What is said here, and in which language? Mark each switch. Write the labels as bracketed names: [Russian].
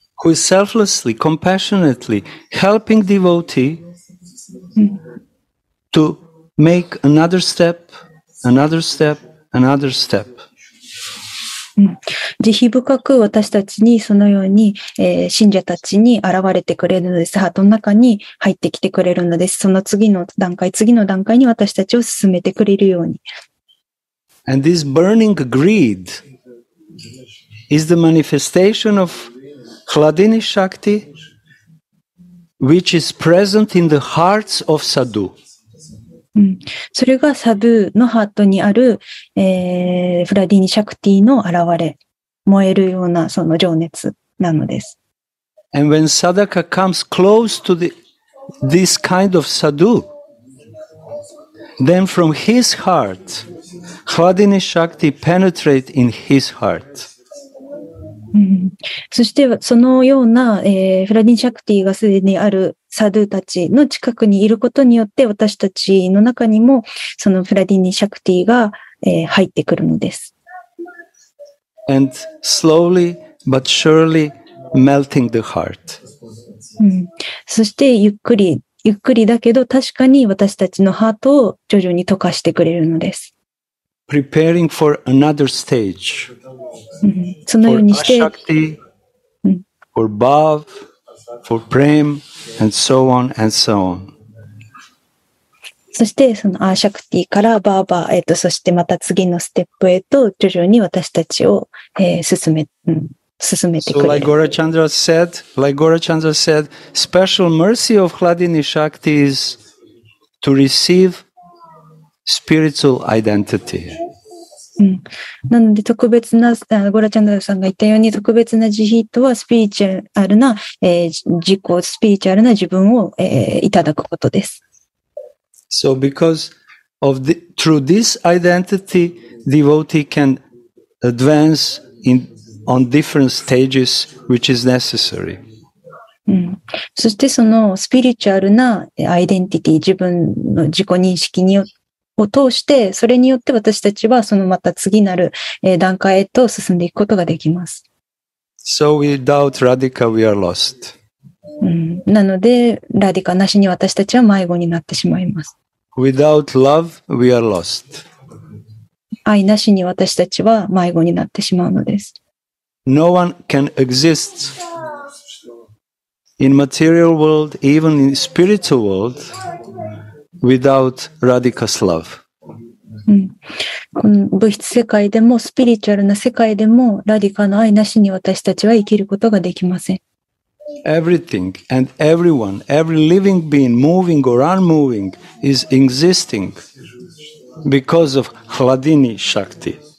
[English] Who is selflessly, compassionately helping devotee to make another step, another step,Another step. [Japanese] 慈悲深く私たちにそのように、信者たちに現れてくれるのです。ハートの中に入ってきてくれるのです。その次の段階、次の段階に私たちを進めてくれるように。 [English] And this burning greed is the manifestation of Hladini Shakti, which is present in the hearts of sadhu. [Japanese] それがサドゥのハートにある、フラディニ・シャクティの現れ、燃えるようなその情熱なのです。 [English] And when Sadaka comes close to this kind of sadhu, then from his heart, Hladini Shakti penetrates in his heart. [Japanese] そしてそのような、フラディニ・シャクティがすでにあるサドゥたちの近くにいることによって私たちの中にもそのフラディニ・シャクティが、入ってくるのです。 [English] And slowly but surely melting the heart. [Japanese] そしてゆっくりゆっくりだけど確かに私たちのハートを徐々に溶かしてくれるのです。 [English] Preparing for another stage. [Japanese] そのようにして、 [English] Ashakti, for Bhav, for Prem, and so on and so on. [Japanese] そしてそのアーシャクティからバーバー、そしてまた次のステップへと徐々に私たちを、進め、進めてくれ [English] る。So like Gaurachandra said, special mercy of Hladini Shakti is to receive spiritual identity. [Japanese] うん、なので特別なゴラチャンダさんが言ったように特別な慈悲とはスピリチュアルな、自己スピリチュアルな自分を、いただくことです。 [English] So because of the, through this identity, devotee can advance in, on different stages, which is necessary. [Japanese] うん、そしてそのスピリチュアルなアイデンティティ、自分の自己認識によってを通して、それによって私たちはそのまた次なる段階へと進んでいくことができます。 [English] So without Radhika, we are lost. [Japanese] うん、なので、ラディカなしに私たちは迷子になってしまいます。 [English] Without love, we are lost. [Japanese] 愛なしに私たちは迷子になってしまうのです。 [English] No one can exist in material world, even in spiritual world. Without Radhika's love. [Japanese] うん、この物質世界でもスピリチュアルな世界でもラディカの愛なしに私たちは生きることができません。 [English] Everything and everyone, every living being, moving or unmoving, is existing because of Hladini Shakti.